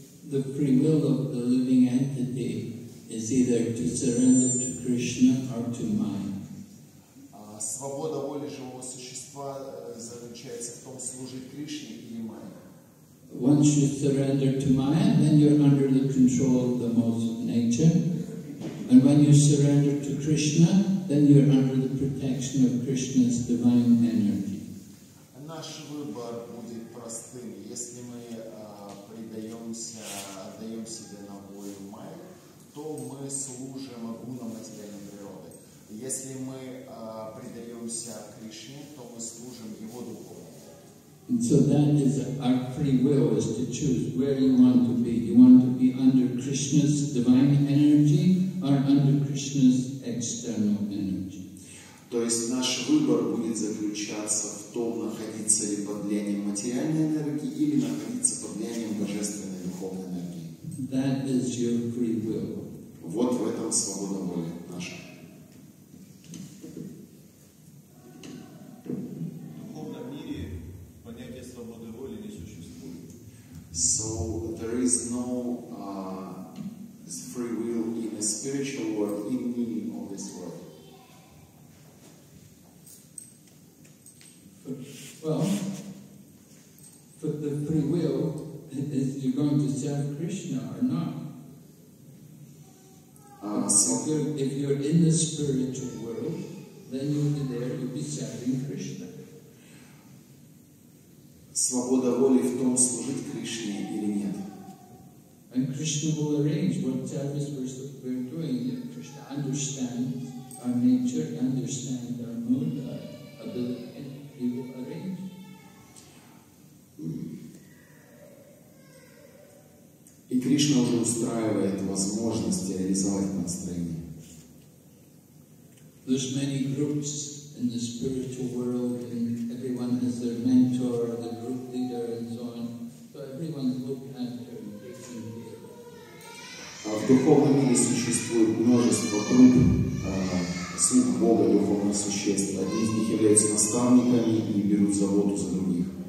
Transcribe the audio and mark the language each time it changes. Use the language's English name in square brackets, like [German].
[English] The free will of the living entity is either to surrender to Krishna or to Maya. [Russian] Свобода воли живого существа заключается в том, служить Кришне или Майе. [English] Once you surrender to Maya, then you're under the control of the modes of nature. And when you surrender to Krishna, then you're under the protection of Krishna's divine energy. [Russian] Наш выбор будет простым. Если мы отдаем себя на волю Майи, то мы служим гунам материальной природы. Если мы предаемся Кришне, то мы служим Его духовному. [English] So that is our free will, is to choose where you want to be. You want to be under Krishna's divine energy or under Krishna's external energy. [Russian] То есть наш выбор будет заключаться в том, находиться ли под влиянием материальной энергии или находиться под влиянием божественной. [English] That is your free will. [Russian] Вот в этом свобода воли наша. В духовном мире понятие свободы воли не существует. [English] So there is no free will in a spiritual world, in meaning of this world. Well, for the free will, if you're going to serve Krishna or not. If you're in the spiritual world, then you'll be there, you'll be serving Krishna. [Russian] Свобода воли в том, служить Кришне или нет. [English] And Krishna will arrange what service we're doing. If Krishna understands our nature, understands our mood, our ability, he will arrange. [Russian] И Кришна уже устраивает возможность реализовать настроение. [English] There's many groups in the spiritual world, and everyone has their mentor, the group leader, and so on. So everyone looks at their different people. [Russian] В духовном мире существует множество групп слуг Бога, духовных существ. Одни из них являются наставниками и берут заботу за других.